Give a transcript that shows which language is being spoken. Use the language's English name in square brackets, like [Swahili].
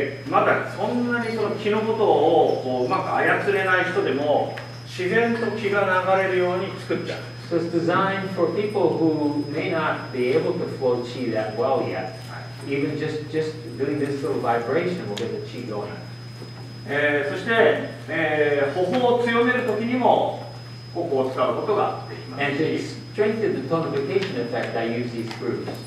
[Japanese] まだそんなにその気のことをこううまく操れない人でも自然と気が流れるように作っちゃう。 [English] So it's designed for people who may not be able to flow chi that well yet. Even just doing this little vibration will get the chi going. [Japanese] そして、頬を強めるときにもここを使うことができます。 [English] And to strengthen the tonification effect, I use these grooves.